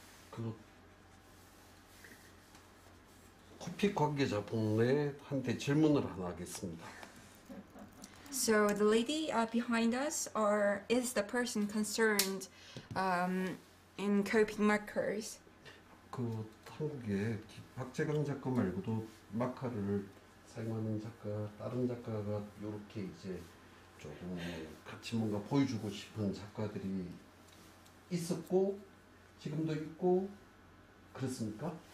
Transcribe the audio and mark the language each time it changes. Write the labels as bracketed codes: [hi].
[ko] 그 코피 관계자 분한테 질문을 하나 하겠습니다. [en] So the lady behind us is the person concerned. In coping markers. [ko] 그 한국에 박재강 작가 말고도 마카를 사용하는 작가 다른 작가가 이렇게 이제 조금 같이 뭔가 보여주고 싶은 작가들이 있었고 지금도 있고 그렇습니까?